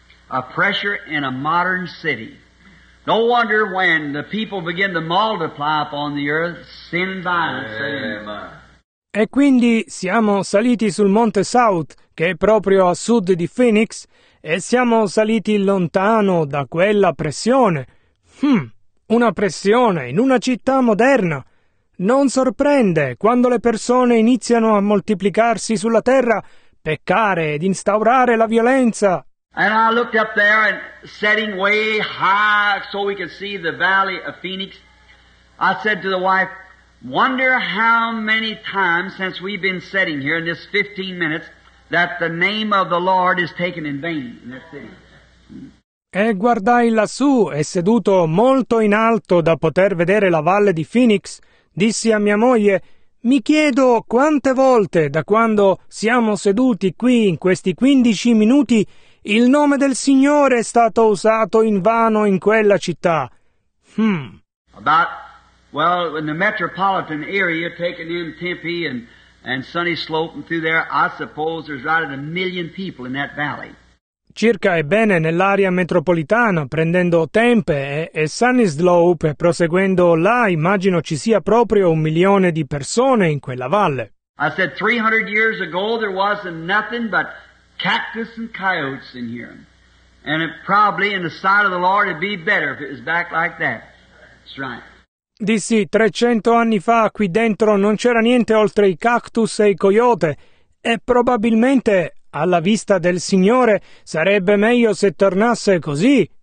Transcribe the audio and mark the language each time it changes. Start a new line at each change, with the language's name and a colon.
English: A pressure in a modern city. No wonder when the people begin to multiply upon the earth, sin and violence.
Italian: E quindi siamo saliti sul Monte South, che è proprio a sud di Phoenix, e siamo saliti lontano da quella pressione. Una pressione in una città moderna. Non sorprende, quando le persone iniziano a moltiplicarsi sulla terra, peccare ed instaurare la violenza.
English: And I looked up there and setting way high so we could see the valley of Phoenix, I said to the wife, wonder how many times since we've been sitting here in this 15 minutes, that the name of the Lord is taken in vain in their city.
Italian: E guardai lassù, e seduto molto in alto da poter vedere la valle di Phoenix, dissi a mia moglie: mi chiedo quante volte da quando siamo seduti qui in questi 15 minuti il nome del Signore è stato usato in vano in quella città.
English: About, well, in the metropolitan area, taking in Tempe and Sunny Slope and through there, I suppose there's right at 1 million people in that valley.
Italian: Circa, ebbene, nell'area metropolitana, prendendo Tempe e Sunny Slope e proseguendo là, immagino ci sia proprio 1 milione di persone in quella valle.
English: I said 300 years ago there wasn't nothing but cactus and coyotes in here. And it probably in the sight of the Lord it'd be better if it was back like that. That's right.
Italian: Dissi, 300 anni fa qui dentro non c'era niente oltre i cactus e i coyote, e probabilmente alla vista del Signore sarebbe meglio se tornasse così.